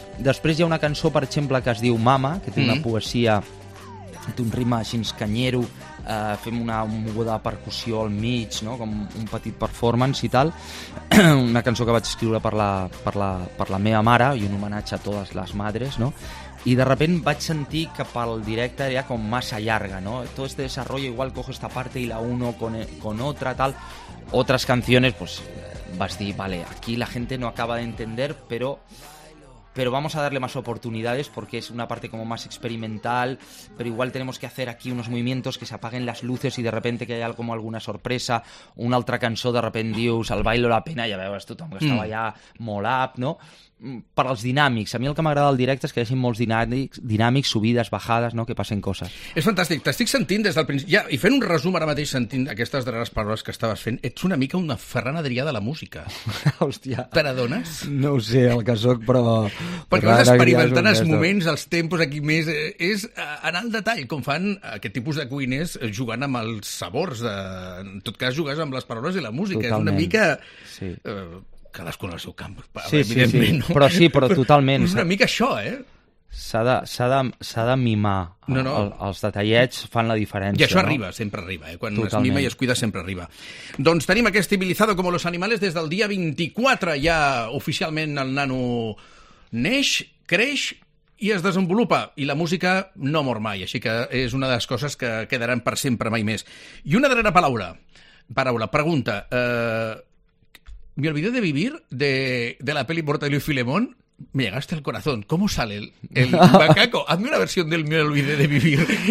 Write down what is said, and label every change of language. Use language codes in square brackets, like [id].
[ca] Després hi ha una cançó, per exemple, que es diu Mama, que té una poesia, té un ritme així canyero, fem una moguda de percussió al mig, no? Com un petit performance i tal. Una cançó que vaig escriure per la meva mare i un homenatge a totes les madres, no? I [es] de repente [ca] vaig sentir que pel directe era com massa llarga, no? [es] Tot este desarrollo, igual cojo esta parte y la uno con otra, tal. Otras canciones, pues vas dir, vale, aquí la gente no acaba de entender, pero vamos a darle más oportunidades porque es una parte como más experimental, pero igual tenemos que hacer aquí unos movimientos que se apaguen las luces y de repente que haya como alguna sorpresa, [ca] una altra cançó de repente dius, el bailo la pena, ja veus tothom que estava allà molt up, no? Per als dinàmics. A mi el que m'agrada del directe és que hi hagi molts dinàmics, subides, bajades, no? Que passen coses. És fantàstic. T'estic sentint des del principi... Ja, i fent un resum ara mateix sentint aquestes darreres paraules que estaves fent, ets una mica una Ferran Adrià de la música. Hòstia. Te n'adones? No ho sé, el que sóc, però... Perquè vas experimentant els moments, els tempos, aquí més... És anar al detall, com fan aquest tipus de cuiners jugant amb els sabors. En tot cas, jugues amb les paraules i la música. Totalment. És una mica... Sí. cadascú en el seu camp. Sí, sí, sí. No? Però sí, però totalment. És una mica això, eh? S'ha de mimar. No, no. Els detallets fan la diferència. I això arriba, sempre arriba. Quan totalment. Es mima i es cuida, sempre arriba. Doncs tenim aquest Civilizado como los animales des del dia 24. Ja oficialment el nano neix, creix i es desenvolupa, i la música no mor mai, així que és una de les coses que quedaran per sempre, mai més. I una darrera paraula, pregunta. [es] Me olvidé de vivir de la peli Mortadelo y Filemón. Me llegaste al corazón. ¿Cómo sale el macaco? Hazme una versión del Me olvidé de vivir.